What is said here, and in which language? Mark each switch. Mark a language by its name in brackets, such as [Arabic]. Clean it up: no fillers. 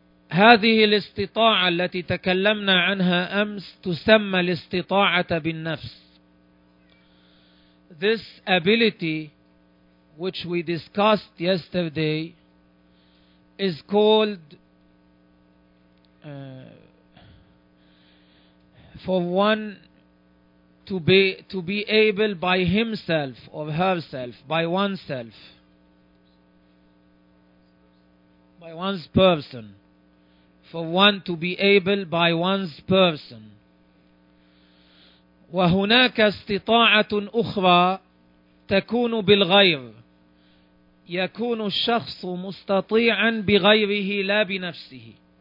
[Arabic] هذه الاستطاعة التي تكلمنا عنها أمس تسمى الاستطاعة بالنفس. [English] This ability which we discussed yesterday is called for one to be able by himself or herself, by oneself, by one's person. For one to be able by one's person. [Arabic] وهناك استطاعة أخرى تكون بالغير. يكون الشخص مستطيعا بغيره لا بنفسه.